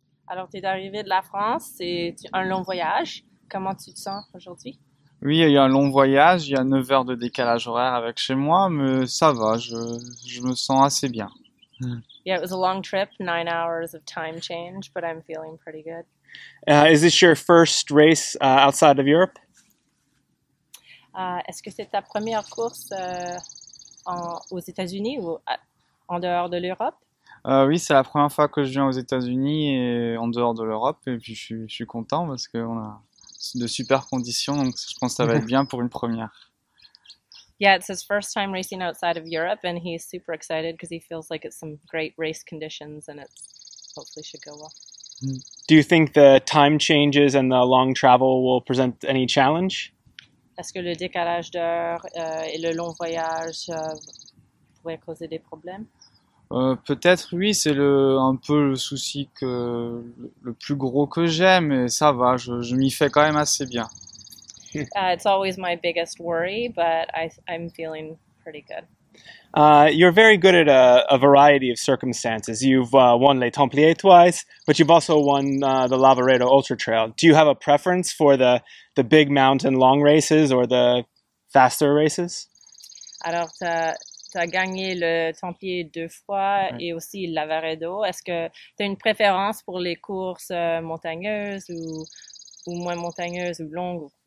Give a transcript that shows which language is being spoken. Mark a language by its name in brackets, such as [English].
[French] Alors, t'es arrivé de la France, c'est un long voyage. Comment tu te sens aujourd'hui? Oui, il y a un long voyage, il y a 9 heures de décalage horaire avec chez moi, mais ça va, je me sens assez bien. [English] Yeah, it was a long trip, 9 hours of time change, but I'm feeling pretty good. Is this your first race outside of Europe? [French] Est-ce que c'est ta première course aux États-Unis ou en dehors de l'Europe? Oui, c'est la première fois que je viens aux États-Unis et en dehors de l'Europe, et puis je suis content parce qu'on a de super conditions, donc je pense que ça va être bien pour une première. [English] Yeah, it's his first time racing outside of Europe, and he's super excited because he feels like it's some great race conditions, and it hopefully should go well. Do you think the time changes and the long travel will present any challenge? [French] Est-ce que le décalage d'heure et le long voyage pourraient causer des problèmes? Peut-être, oui, c'est un peu le souci que le plus gros que j'ai, mais ça va, je m'y fais quand même assez bien. [English] It's always my biggest worry, but I'm feeling pretty good. You're very good at a variety of circumstances. You've won Les Templiers twice, but you've also won the Lavaredo Ultra Trail. Do you have a preference for the big mountain long races or the faster races? [French] Alors, t'as gagné le Templier deux fois et aussi le Lavaredo. Est-ce que t'as une préférence pour les courses montagneuses ou moins montagneuses ou longues?